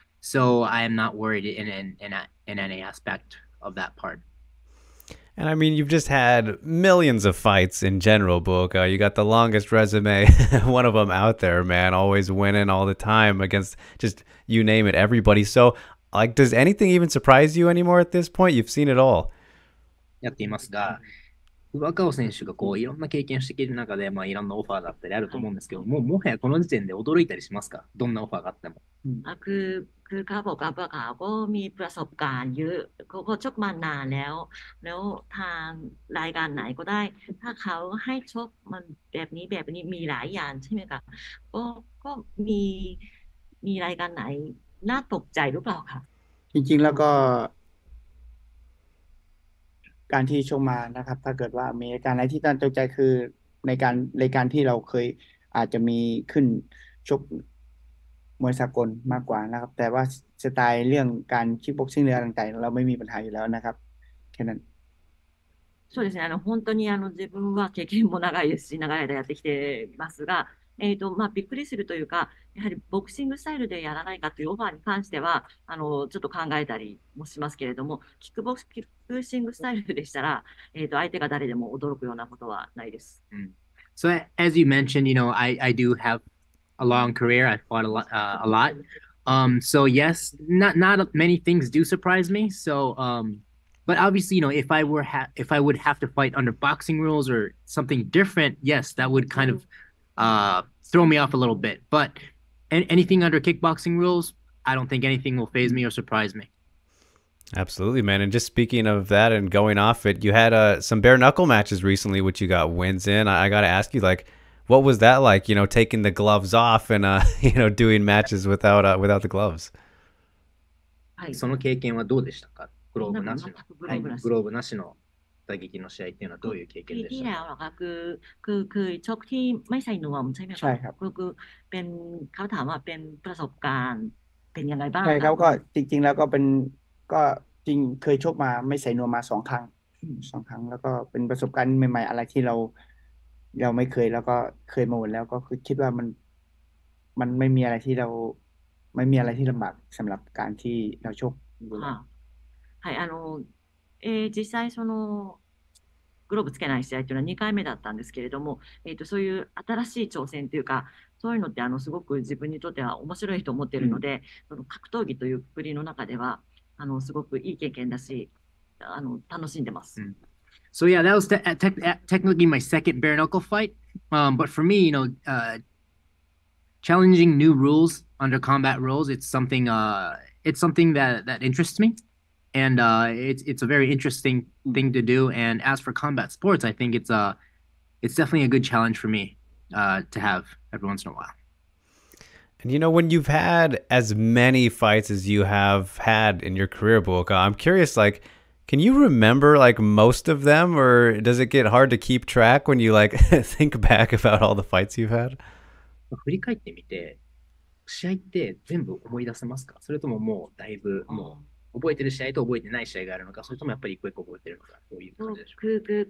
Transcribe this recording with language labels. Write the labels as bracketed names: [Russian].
[English] So I am not worried in any aspect of that part. And I mean, you've just had millions of fights in general, Buaka. You got the longest resume, one of them out there, man, always winning all the time against just, you name it, everybody. So, like, does anything even surprise you anymore at this point? You've seen it all. [Japanese] やっていますが、Buakaw 選手がこういろんな経験してきている中で、まあ、いろんなオファーだったりあると思うんですけど、もうもはやこの時点で驚いたりしますか？どんなオファーがあっても。 [Thai] คือเขาบอกกับเขาก็มีประสบการณ์เยอะเขาก็ชกมานานแล้วแล้วทางรายการไหนก็ได้ถ้าเขาให้ชกมันแบบนี้แบบนี้มีหลายอย่างใช่ไหมคะก็มีรายการไหนน่าตกใจหรือเปล่าคะ จริงๆแล้วก็การที่ชกมานะครับถ้าเกิดว่ามีรายการไหนที่น่าตกใจคือในการรายการที่เราเคยอาจจะมีขึ้นชกมวยสากลมากกว่านะครับแต่ว่าสไตล์เรื่องการคิกบ็อกซิ่งเรื่องต่างๆเราไม่มีปัญหาอยู่แล้วนะครับแค่นั้น [Japanese] そうですね本当に自分は経験も長いですし長い間やってきてますがまあびっくりするというかやはりボクシングスタイルでやらないかというオファーに関してはちょっと考えたりもしますけれどもキックボクシングスタイルでしたら相手が誰でも驚くようなことはないです、 mm. [English] So as you mentioned you know I do haveA long career, I fought a lot. So yes, not many things do surprise me. So, but obviously, you know, if I would have to fight under boxing rules or something different, yes, that would kind of throw me off a little bit. But anything under kickboxing rules, I don't think anything will faze me or surprise me. Absolutely, man. And just speaking of that and going off it, you had some bare knuckle matches recently, which you got wins in. I got to ask you, like,What was that like, you know, taking the gloves off and, you know, doing matches without, without the gloves? [Japanese] はい、その経験はどうでしたか?グローブなしの、はい、グローブなしの打撃の試合っていうのはどういう経験でした? [Thai] ที่แล้วก็คือชกที่ไม่ใส่นวมใช่ไหมครับ? ใช่ครับ คือเป็นเขาถามว่าเป็นประสบการณ์เป็นยังไงบ้าง ใช่ครับก็จริงๆแล้วก็เป็นก็จริงเคยชกมาไม่ใส่นวมมาสองครั้งแล้วก็เป็นประสบการณ์ใหม่ๆอะไรที่เราไม่เคยแล้วก็เคยมาหมดแล้วก็คือคิดว่ามันไม่มีอะไรที่เราไม่มีอะไรที่ลำบากสำหรับการที่เราโชค ค่ะใช่ [Japanese] 実際そのグローブつけない試合というのは2回目だったんですけれどもそういう新しい挑戦というかそういうのってすごく自分にとっては面白いと思っているので、うん、その格闘技という国の中ではすごくいい経験だし楽しんでます、うん [English] So yeah, that was technically my second bare knuckle fight. But for me, you know, challenging new rules under combat rules, it's something that interests me. And it's a very interesting thing to do. And as for combat sports, I think it's definitely a good challenge for me to have every once in a while. And you know, when you've had as many fights as you have had in your career, Buaka, I'm curious, like,Can you remember like most of them or does it get hard to keep track when you like think back about all the fights you've had? [Japanese] 振り返ってみて、試合って全部思い出せますか？それとももうだいぶもう覚えてる試合と覚えてない試合があるのか、それともやっぱり一個一個覚えてるのか、どういう感じでしょうか？